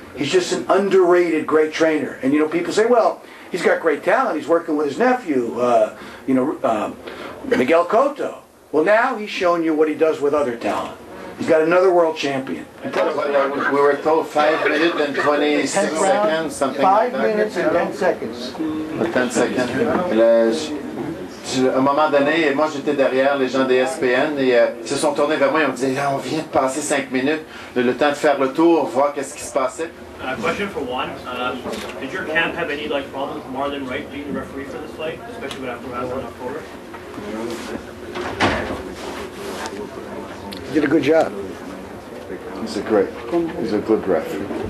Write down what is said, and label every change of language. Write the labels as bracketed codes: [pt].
[en] He's just an underrated great trainer. And you know, people say, well, he's got great talent. He's working with his nephew, Miguel Cotto. Well, now he's shown you what he does with other talent. He's got another world champion. We were told 5 minutes and 26 seconds, something like that. 5 minutes and 10 seconds. 10 seconds. [fr] À un moment donné, moi j'étais derrière les gens des SPN et ils se sont tournés vers moi et ils m'ont dit, on vient de passer 5 minutes, le temps de faire le tour, voir qu'est-ce qui se passait. [en] Question for Juan, did your camp have any like problems with Marlon Wright being the referee for this fight, especially after what happened in October? He did a good job. He's a good referee.